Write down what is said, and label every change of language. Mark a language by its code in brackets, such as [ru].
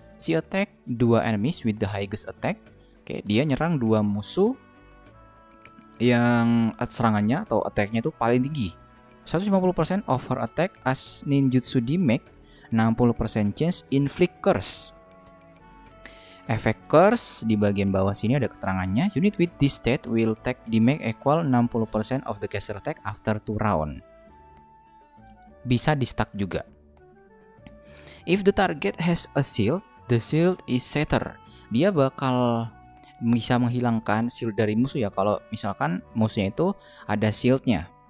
[en] She attack 2 enemies with the highest attack. [id] Oke, dia nyerang 2 musuh yang serangannya atau attack-nya itu paling tinggi. [en] 150% of her attack as ninjutsu damage, 60% chance inflict curse. [id] Efek curse di bagian bawah sini ada keterangannya. [en] Unit with this state will take damage equal 60% of the caster attack after 2 round. [id] Bisa di-stuck juga. [en] If the target has a shield, the shield is shattered. [id] Dia bakal bisa menghilangkan shield dari musuh ya. Kalau misalkan musuhnya itu ada shieldnya.